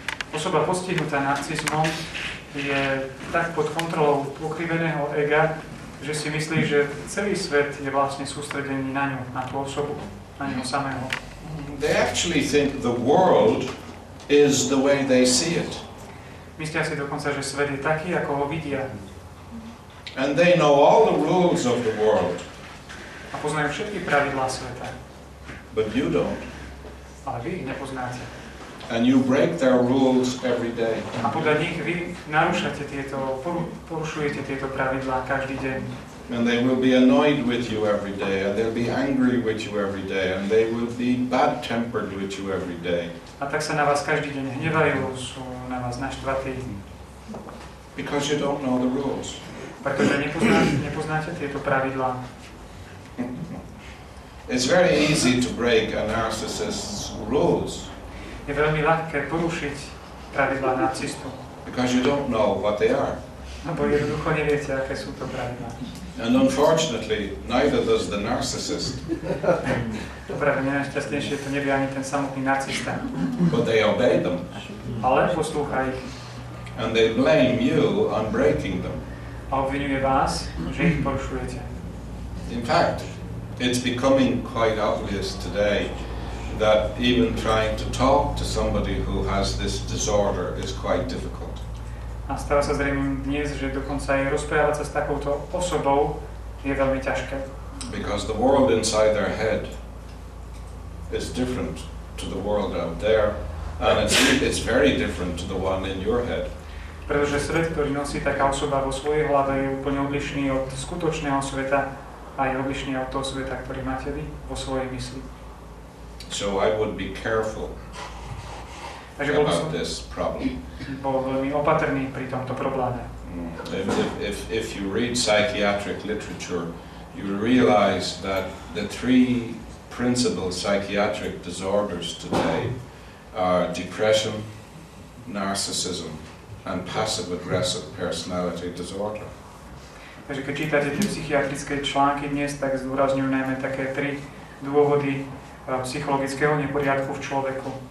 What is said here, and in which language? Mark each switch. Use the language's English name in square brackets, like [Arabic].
[Slovak] Osoba postihnutá narcizmom je tak pod kontrolou pokriveného ega, že si myslí, že celý svet je vlastne sústredený na ňu, na tú osobu, na ňu samého. [English] They actually think the world is the way they see it. [Slovak] Myslia si dokonca, že svet je taký, ako ho vidia. [English] And they know all the rules of the world. [Slovak] A poznajú všetky pravidlá sveta. [English] But you don't. [Slovak] Ale vy ich nepoznáte. [English] And you break their rules every day. [Slovak] A podľa nich vy narúšate tieto, porušujete tieto pravidlá každý deň. [English] And they will be annoyed with you every day, and they'll be angry with you every day, and they will be bad-tempered with you every day. [Slovak] A tak sa na vás každý deň hnevajú, sú na vás naštvatí. [English] Because you don't know the rules. [Slovak] Pretože nepoznáte tieto pravidlá. [English] It's very easy to break a narcissist's rules. [Slovak] Je veľmi ľahké porušiť pravidlá narcistu. [English] Because you don't know what they are. [Slovak] Lebo jednoducho neviete, aké sú to pravidlá. [English] And unfortunately, neither does the narcissist. [Slovak] Dobre, mňa najšťastnejšie to nevie ani ten samotný narcista. [English] But they obey them. [Slovak] Ale poslúcha ich. [English] And they blame you on breaking them. [Slovak] A obvinuje vás, že ich porušujete. [English] In fact, it's becoming quite obvious today that even trying to talk to somebody who has this disorder is quite difficult. [Slovak] A stáva sa zrejme dnes, že dokonca aj rozprávať sa s takouto osobou je veľmi ťažké. [English] Because the world inside their head is different to the world out there, and it's very different to the one in your head. [Slovak] Pretože svet, ktorý nosí taká osoba vo svojej hlave, je úplne odlišný od skutočného sveta a je odlišný od toho sveta, ktorý máte vy vo svojej mysli. [English] So I would be careful. About this problem. [Slovak] Bol veľmi opatrný pri tomto probléme. [English] If you read psychiatric literature, you realize that the three principal psychiatric disorders today are depression, narcissism and passive aggressive personality disorder. [Slovak] Takže keď čítate tie psychiatrické články dnes, tak zdôrazňujú najmä také tri dôvody psychologického neporiadku v človeku.